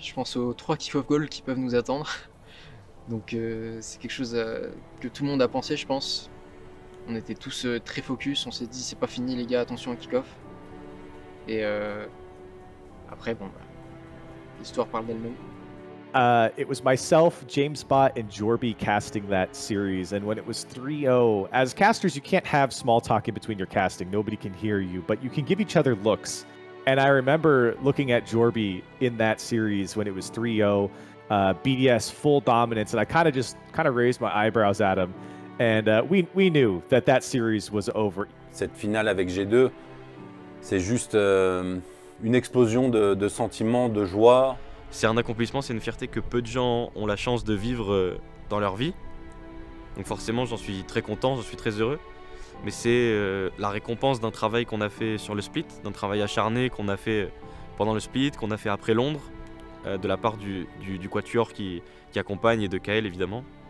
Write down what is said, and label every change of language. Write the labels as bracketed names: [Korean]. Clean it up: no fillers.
[French] Je pense aux 3 kick-off goals qui peuvent nous attendre. Donc c'est quelque chose que tout le monde a pensé, je pense. On était tous très focus, on s'est dit c'est pas fini les gars, attention au kick-off. Et après, bon, bah, l'histoire parle d'elle-même. [English] It was myself, James Bott, and Jorby casting that series. And when it was 3-0, as casters, you can't have small talk in between your casting. Nobody can hear you, but you can give each other looks. And I remember looking at Jorby in that series when it was 3-0, BDS full dominance. And I kind of just kind of raised my eyebrows at him. And we knew that that series was over. [French] Cette finale avec G2, c'est juste une explosion de sentiments, de joie. C'est un accomplissement, c'est une fierté que peu de gens ont la chance de vivre dans leur vie. Donc forcément, j'en suis très content, j'en suis très heureux. Mais c'est la récompense d'un travail qu'on a fait sur le split, d'un travail acharné qu'on a fait pendant le split, qu'on a fait après Londres, de la part du quatuor qui accompagne et de Kael évidemment.